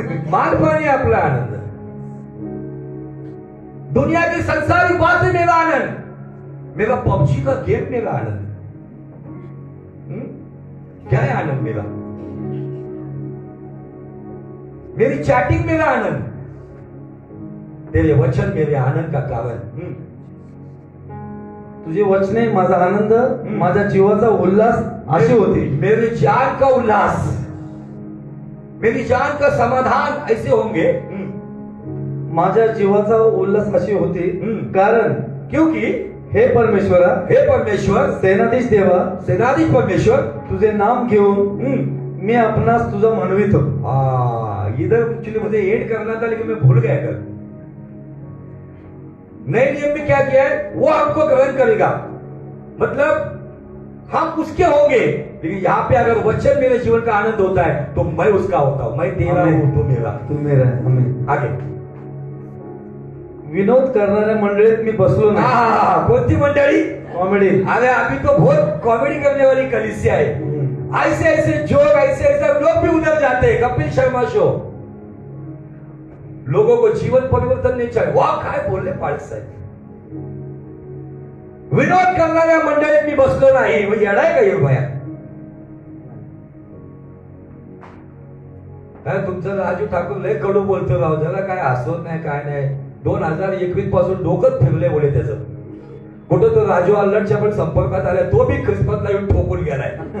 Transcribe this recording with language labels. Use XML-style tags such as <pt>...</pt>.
<mr>मालपाणी आपला आनंद,</mr> <hi>दुनिया की संसारी बात मेरा आनंद, मेरा पबजी का गेम मेरा आनंद। क्या है आनंद मेरा? मेरी चैटिंग मेरा आनंद, तेरे वचन मेरे आनंद का कारण।</hi> <mr>तुझे वचने माझा आनंद, माझा जीवाचा उल्लास अशी होती।</mr> <hi>मेरी जान का उल्लास, मेरी जान का समाधान ऐसे होंगे।</hi> <mr>माझा जीवाचा उल्लास अशी होती कारण,</mr> <hi>क्योंकि</hi> <mr>हे परमेश्वर, हे परमेश्वर सेनाधीश देवा, सेनाधीश परमेश्वर, तुझे नाम घेऊन मी अपनास तुझा म्हणवित।</mr> <hi>इधर एक्चुअली मुझे एड करना था लेकिन मैं भूल गया। कर नए नियम में क्या किया है? वो हमको ग्रहण करेगा, मतलब हम उसके होंगे। लेकिन यहाँ पे अगर वचन मेरे जीवन का आनंद होता है तो मैं उसका होता हूं, मैं तेरा हूं, तू मेरा, तू मेरा। हमें आगे</hi> <mr>विनोद करणाऱ्या मंडळीत मी बसलो नाही। कोणती मंडळी? कॉमेडी।</mr> <hi>अरे अभी तो बहुत कॉमेडी करने वाली कलीसिया</hi> <mr>आहे।</mr> <hi>ऐसे ऐसे जोक, ऐसे ऐसे लोग भी उधर जाते हैं, कपिल शर्मा शो। लोगों को जीवन परिवर्तन नहीं चाहिए।</hi> <mr>वाह काय बोलले पाडस साहेब, विनोद करणाऱ्या मंडळीत मी बसलो नाही, म्हणजे येणार का यिर्मयाह? काय तुमचं राजू ठाकूर लय कडू बोलतो राव, त्याला काय हसवत नाही काय नाही। 2021 पासून डोकं फिरले बोले त्याच। कुठं तो राजू अल्लडच्या पण संपर्कात आला, तो भी ख्रिसमसला येऊन ठोकून गेलाय।</mr>